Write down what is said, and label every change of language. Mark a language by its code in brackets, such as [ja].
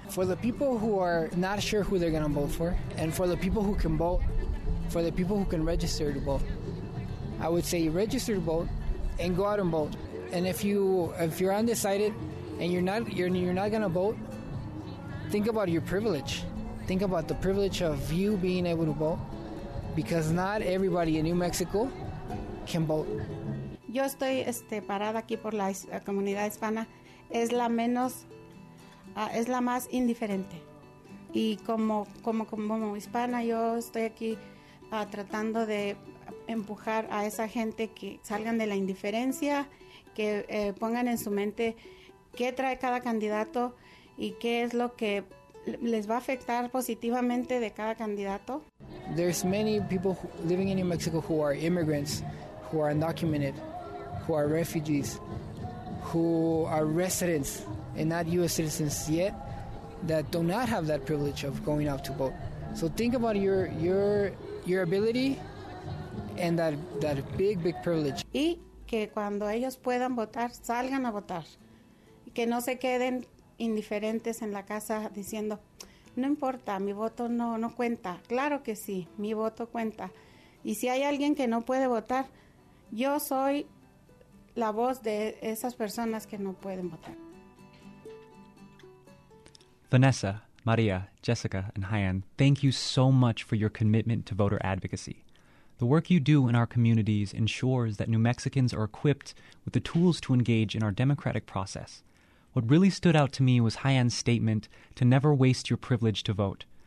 [en] For the people who are not sure who they're going to vote for, and for the people who can vote, for the people who can register to vote, I would say register to vote and go out and vote. And if you're undecided and you're not gonna vote, think about your privilege. Think about the privilege of you being able to vote, because not everybody in New Mexico can vote. [es] Yo estoy parada aquí por la comunidad hispana. Es la menos, es la más indiferente. Y como hispana, yo estoy aquí tratando de empujar a esa gente que salgan de la indiferencia, que pongan en su mente qué trae cada candidato y qué es lo que les va a afectar positivamente de cada candidato. [en] There's many people living in New Mexico who are immigrants, who are undocumented, who are refugees, who are residents and not U.S. citizens yet, that do not have that privilege of going out to vote. So think about your ability and that big, big privilege. [es] Y que cuando ellos puedan votar, salgan a votar. Que no se queden indiferentes en la casa diciendo, no importa, mi voto no cuenta. Claro que sí, mi voto cuenta. Y si hay alguien que no puede votar, yo soy la voz de esas personas que no pueden votar. [en] Vanessa, Maria, Jessica, and Hayan, thank you so much for your commitment to voter advocacy. The work you do in our communities ensures that New Mexicans are equipped with the tools to engage in our democratic process. What really stood out to me was Hayan's statement to never waste your privilege to vote.